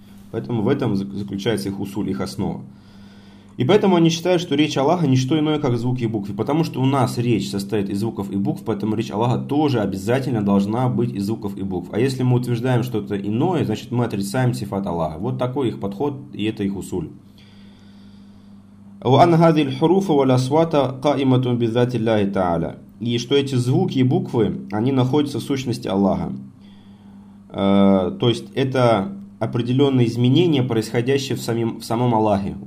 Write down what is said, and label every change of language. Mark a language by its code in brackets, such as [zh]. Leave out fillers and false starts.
[ru] Поэтому в этом заключается их усуль, их основа. И поэтому они считают, что речь Аллаха не что иное, как звуки и буквы. Потому что у нас речь состоит из звуков и букв, поэтому речь Аллаха тоже обязательно должна быть из звуков и букв. А если мы утверждаем что-то иное, значит, мы отрицаем сифат Аллаха. Вот такой их подход, и это их усуль. [ar] وأن هذه الحروف والأصوات قائمة بذات الله تعالى. [ru] И что эти звуки и буквы, они находятся в сущности Аллаха. То есть это определенные изменения, происходящие в самом Аллахе.